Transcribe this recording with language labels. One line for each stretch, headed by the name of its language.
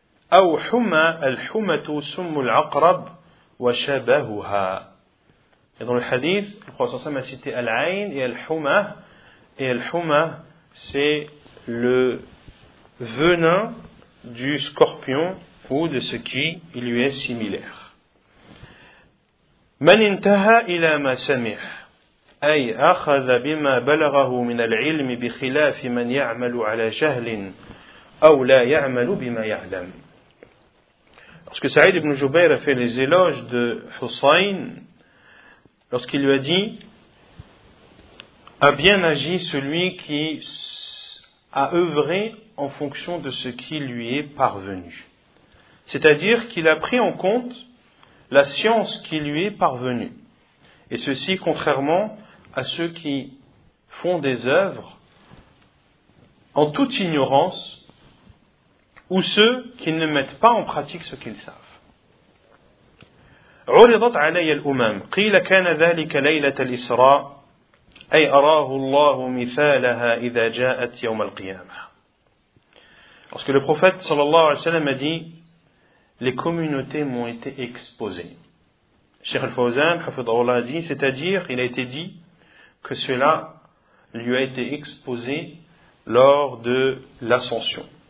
Arabic: Aw huma al-humatu summul aqrab wa shabahuha.
French: Et dans le hadith, le Prophète a cité al-Aïn et al-Huma, et al-Huma, c'est le venin du scorpion ou de ce qui lui est similaire.
Arabic: من انتهى إلى ما سمع أي أخذ بما بلغه من العلم بخلاف من يعمل على جهل أو لا يعمل بما يعلم.
French: Parce que Saïd ibn Jubayr a fait les éloges de Hussein lorsqu'il lui a dit « A bien agi celui qui a œuvré en fonction de ce qui lui est parvenu. » C'est-à-dire qu'il a pris en compte la science qui lui est parvenue. Et ceci contrairement à ceux qui font des œuvres en toute ignorance ou ceux qui ne mettent pas en pratique ce qu'ils savent.
Arabic: عرضت علي الأمم قيل كان ذلك ليلة الإسراء أي أراه الله مثالها إذا جاءت يوم القيامة.
French: Lorsque le prophète sallallahu alayhi wa sallam a dit, les communautés m'ont été exposées. Cheikh Al-Fawzan, hafidhahullah, a dit, c'est-à-dire, il a été dit que cela lui a été exposé lors de l'ascension.